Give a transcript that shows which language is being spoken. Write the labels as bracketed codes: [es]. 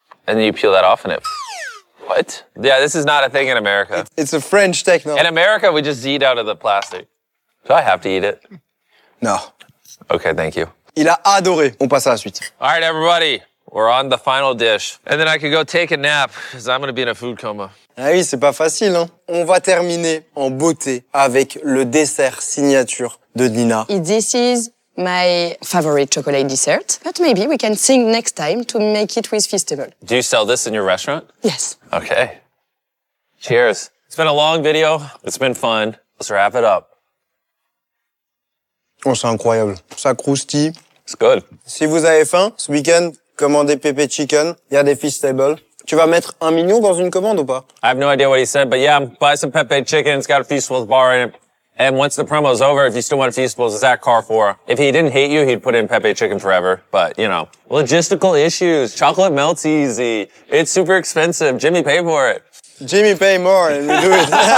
[en] And then you peel that off and it... What? Yeah, this is not a thing in America. It's a French techno. In America, we just eat out of the plastic. Do I have to eat it? No. Okay, thank you. [fr] Il a adoré. On passe à la suite. [en] All right, everybody. We're on the final dish. And then I can go take a nap, because I'm going to be in a food coma. [fr] Ah oui, c'est pas facile, hein. On va terminer en beauté avec le dessert signature de Nina. [en] This is my favorite chocolate dessert. But maybe we can think next time to make it with Feastable. Do you sell this in your restaurant? Yes. Okay. Cheers. It's been a long video. It's been fun. Let's wrap it up. [fr] Oh, c'est incroyable. Ça croustille. [en] It's good. [fr] Si vous avez faim, ce week-end, commandez Pepe Chicken. Il y a des Feastables. Tu vas mettre un million dans une commande ou pas? [en] I have no idea what he said, but yeah, buy some Pepe Chicken. It's got a Feastables bar in it. And once the promo's over, if you still want Feastables, it's at Carrefour. If he didn't hate you, he'd put in Pepe Chicken forever. But, you know, logistical issues. Chocolate melts easy. It's super expensive. Jimmy, pay for it. Jimmy, pay more and do it.